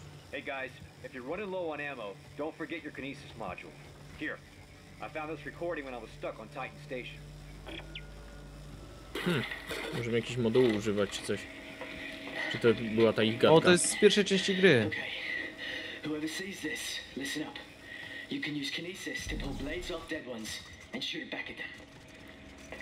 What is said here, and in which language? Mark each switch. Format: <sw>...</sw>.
<en>Hey guys, if you're running low on ammo, don't forget your Kinesis module. Here, I found this recording when I was stuck on Titan Station.</en> <pl>Możemy jakiś moduł używać czy coś. Czy to była ta ich gadka? O, to jest z pierwszej części gry.</pl> <en>Whoever sees this, listen up. You can use kinesis to pull blades off dead ones and shoot it back at them.</en>